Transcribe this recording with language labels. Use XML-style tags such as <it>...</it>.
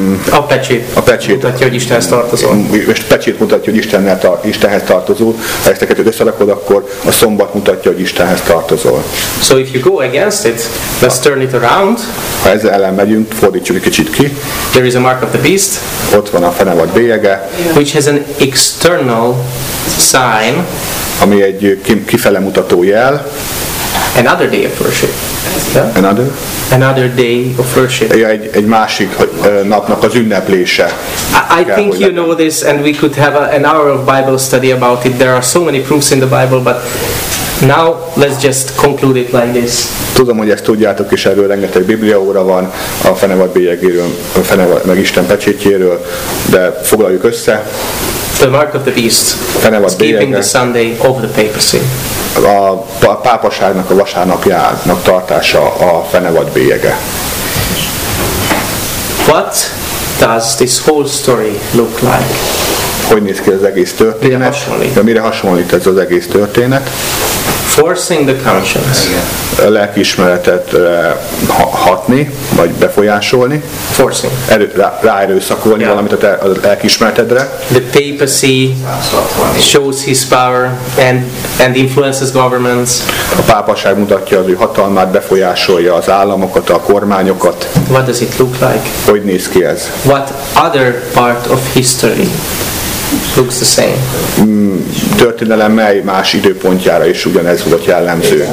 <hu>A pecsét mutatja, hogy Istenhez tartozol. És pecsét mutatja, hogy Istenhez tartozol. Ha ezt a kettőt összerakod, akkor a szombat mutatja, hogy Istenhez tartozol.</hu> <en>So if you go against it, let's turn it around.</en> <hu>Ha ezzel ellen megyünk, fordítsuk egy kicsit ki.</hu> <en>There is a mark of the beast.</en> <hu>Ott van a fenevad bélyege.</hu> <en>Which has an external sign.</en> <hu>Ami egy kifele mutató jel.</hu> <en>Another day of worship. Yeah? Another day of worship.</en> <hu>Ja, egy másik napnak az ünneplése.</hu> <en>I think you know this, and we could have an hour of Bible study about it. There are so many proofs in the Bible, but now let's just conclude it like this.</en> <hu>Tudom, hogy ezt tudjátok, és erről rengeteg Biblia óra van a fenevad bélyegéről, meg Isten pecsétjéről, de foglaljuk össze.</hu> <en>The mark of the beast is keeping the Sunday over the papacy.</en> <hu>A pápaságnak a vasárnapjának tartása a fenevad bélyege.</hu> <en>What does this whole story look like?</en> <hu>Hogy néz ki az egész történet? Mire hasonlít ez az egész történet?</hu> <en>Forcing the conscience.</en> <hu>A lelkiismeretet hatni, vagy befolyásolni.</hu> <en>Forcing.</en> <hu>Ráerőszakolni valamit a lelkiismeretedre.</hu> <en>The papacy shows his power and influences governments.</en> <hu>A pápaság mutatja az ő hatalmát, befolyásolja az államokat, a kormányokat.</hu> <en>What does it look like?</en> <hu>Hogy néz ki ez?</hu> <en>What other part of history looks the same?</en> <hu>Történelem mely más időpontjára is ugyanez volt jellemző.</hu>